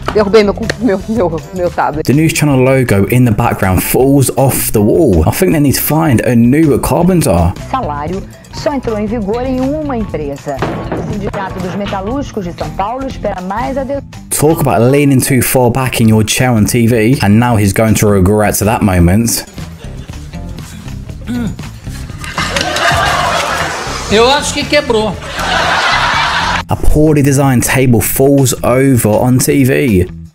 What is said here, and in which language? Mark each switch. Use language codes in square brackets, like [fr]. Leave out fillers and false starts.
[en] The news channel logo in the background falls off the wall. I think they need to find a new carpenter. [pt] Salário só entrou em vigor em uma empresa. O Sindicato dos Metalúrgicos de São Paulo espera mais adesão. [en] Talk about leaning too far back in your chair on TV, and now he's going to regret to that moment. [pt] Eu acho que quebrou. [en] A poorly designed table falls over on TV.